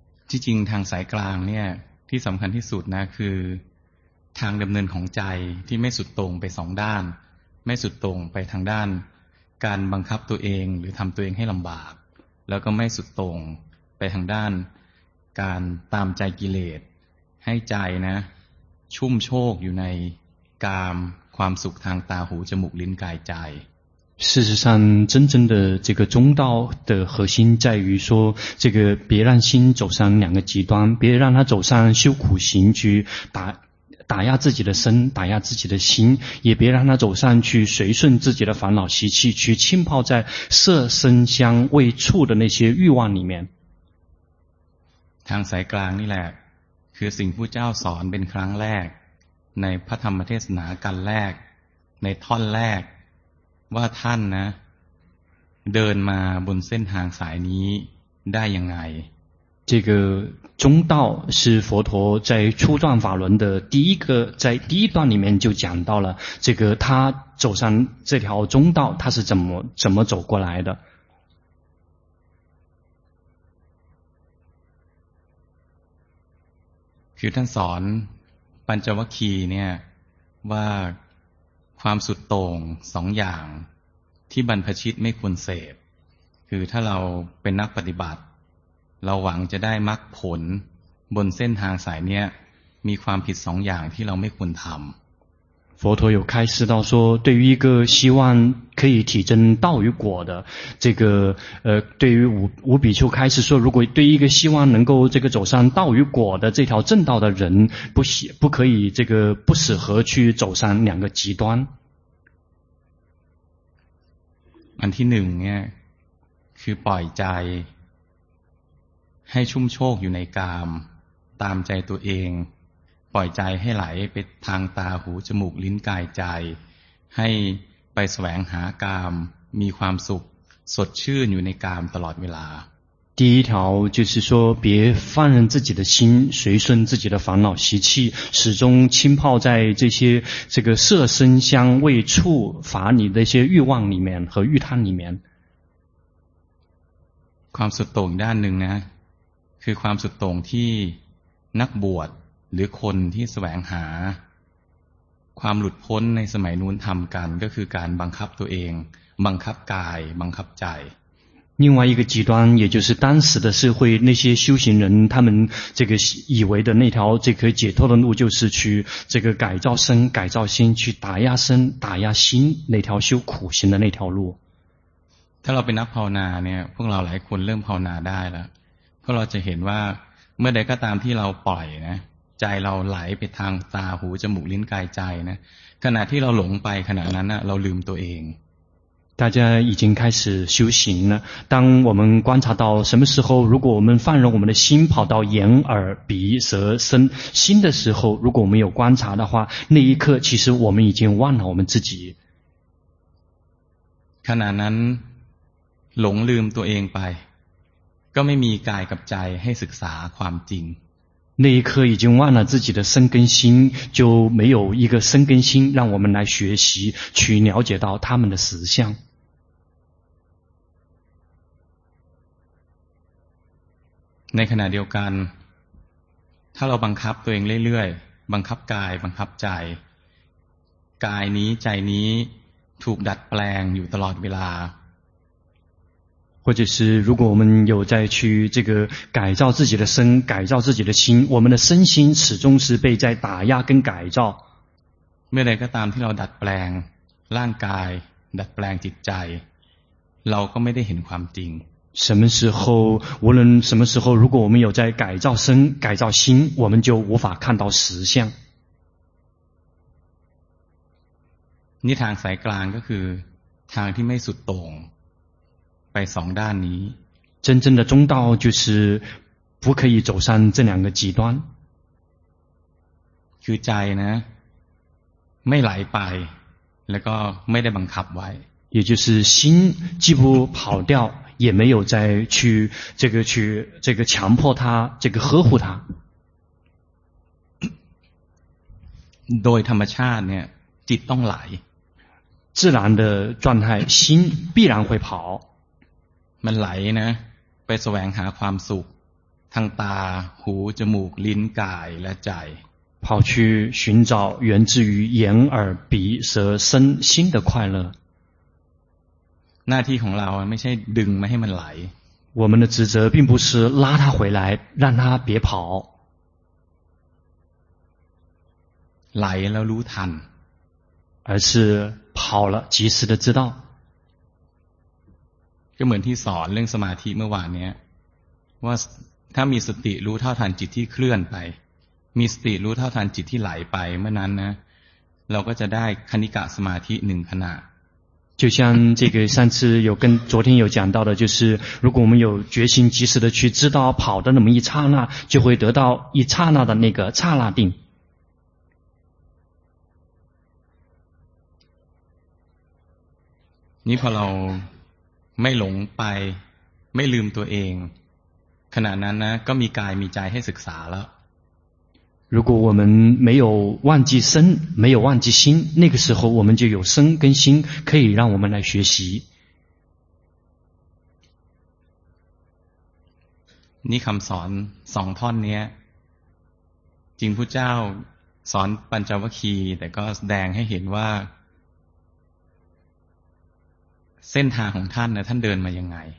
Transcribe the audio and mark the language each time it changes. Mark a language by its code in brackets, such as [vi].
[th] ที่จริงทางสายกลางเนี่ยที่สำคัญที่สุดนะคือทางดำเนินของใจที่ไม่สุดตรงไปสองด้านไม่สุดตรงไปทางด้านการบังคับตัวเองหรือทำตัวเองให้ลำบากแล้วก็ไม่สุดตรงไปทางด้านการตามใจกิเลสให้ใจนะชุ่มโชกอยู่ในกามความสุขทางตาหูจมูกลิ้นกายใจ [zh] 事实上真正的这个中道的核心在于说这个别让心走上两个极端别让它走上修苦行去打压自己的身，打压自己的心，也别让他走上去随顺自己的烦恼习气，去浸泡在色声香味触的那些欲望里面。 [th] ทางสายกลางนี่แหละคือสิ่งผู้เจ้าสอนเป็นครั้งแรกในพระธรรมเทศนากันแรกในท่อนแรกว่าท่านนะเดินมาบนเส้นทางสายนี้ได้ยังไง [zh] 这个中道是佛陀在初转法轮的第一个，在第一段里面就讲到了这个他走上这条中道，他是怎么走过来的。 [th] คือท่านสอนปัญจวัคคีย์เนี่ยว่าความสุดโต่งสองอย่างที่บรรพชิตไม่ควรเสพคือถ้าเราเป็นนักปฏิบัติเราหวังจะได้มรรคผลบนเส้นทางสายเนี้ยมีความผิดสองอย่างที่เราไม่ควรทำ [zh] 佛陀有开示到说对于一个希望可以体证道与果的这个对于 五比丘开示说如果对于一个希望能够这个走上道与果的这条正道的人不可以这个不适合去走上两个极端 [th] อันที่หนึ่งเนี่ยคือปล่อยใจให้ชุ่มโชคอยู่ในกามตามใจตัวเองปล่อยใจให้ไหลไปทางตาหูจมูกลิ้นกายใจให้ไปแสวงหากามมีความสุขสดชื่นอยู่ในกามตลอดเวลา [zh] 第一条就是说别放任自己的心随顺自己的烦恼习气始终浸泡在这些这个色声香味触法你的一些欲望里面和欲贪里面 [th] ความสุดโต่งด้านหนึ่งนะคือความสุดโต่งที่นักบวชหรือคนที่แสวงหาความหลุดพ้นในสมัยนู้นทำกันก็คือการบังคับตัวเองบังคับกายบังคับใจ [zh] 另外一个极端也就是当时的社会那些修行人他们这个以为的那条这个解脱的路就是去这个改造身改造心去打压身打压心那条修苦行的那条路 [th] ถ้าเราเป็นนักภาวนาเนี่ยพวกเราหลายคนเริ่มภาวนาได้แล้วเพราะเราจะเห็นว่าเมื่อใดก็ตามที่เราปล่อยนะใจเราไหลไปทางตาหูจมูกลิ้นกายใจนะขณะที่เราหลงไปขณะนั้นนะเราลืมตัวเอง [zh] 大家已经开始修行了当我们观察到什么时候如果我们放任我们的心跑到眼耳鼻舌身心的时候如果我们有观察的话那一刻其实我们已经忘了我们自己 [th] ขณะนั้นหลงลืมตัวเองไปก็ไม่มีกายกับใจให้ศึกษาความจริง [zh] 那一刻已经忘了自己的身跟心就没有一个身跟心让我们来学习去了解到他们的实相 [th] ในขณะเดียวกันถ้าเราบังคับตัวเองเรื่อยๆบังคับกายบังคับใจกายนี้ใจนี้ถูกดัดแปลงอยู่ตลอดเวลา [zh] 或者是如果我们有在去这个改造自己的身改造自己的心我们的身心始终是被在打压跟改造 [th] เมื่อใดก็ตามที่เราดัดแปลงร่างกายดัดแปลงจิตใจเราก็ไม่ได้เห็นความจริง [zh] 什么时候无论什么时候如果我们有在改造身改造心我们就无法看到实相 [th] นี่ทางสายกลางก็คือทางที่ไม่สุดโต่งไปสองด้านนี้ [zh] 真正的中道就是不可以走上这两个极端 [th] คือใจนะไม่ไหลไปแล้วก็ไม่ได้บังคับไว้ [zh] 也就是心既不跑掉也没有再去这个去这个强迫它这个呵护它 [th] โดยธรรมชาติเนี่ยจิตต้องไหล [zh] 自然的状态心必然会跑 [th] มันไหลนะไปแสวงหาความสุขทางตาหูจมูกลิ้นกายและใจ [zh] 跑去寻找源自于眼耳鼻舌身心的快乐 [th] หน้าที่ของเราไม่ใช่ดึงไม่ให้มันไหล [zh] 我们的职责并不是拉它回来让它别跑 [th] ไหลแล้วรู้ทัน [zh] 而是跑了及时的知道 [th] ก็เหมือนที่สอนเรื่องสมาธิเมื่อวานนี้ว่าถ้ามีสติรู้เท่าทันจิตที่เคลื่อนไป มีสติรู้เท่าทันจิตที่ไหลไปเมื่อนั้นนะเราก็จะได้คณิกะสมาธิหนึ่งขณะ [zh] 就像这个上次有跟昨天有讲到的，就是如果我们有决心及时的去知道跑的那么一刹那，就会得到一刹那的那个刹那定。 [th] นี่พอเราไม่หลงไปไม่ลืมตัวเองขณะนั้นนะก็มีกายมีใจให้ศึกษาแล้ว [zh] 如果我们没有忘记身没有忘记心那个时候我们就有身跟心可以让我们来学习 [th] นี่คำสอนสองท่อนนี้จริงพุทธเจ้าสอนปัญจวัคคีย์แต่ก็แสดงให้เห็นว่าเส้นทางของท่านนะท่านเดินมายังไง